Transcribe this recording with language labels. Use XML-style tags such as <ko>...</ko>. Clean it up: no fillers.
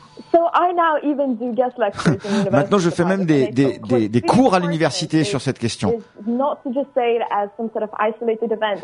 <en>So I now even do guest lectures.</en> <fr>Maintenant, je fais même des cours à l'université sur cette question.</fr> <en>Not to just say it as some sort of isolated event.</en>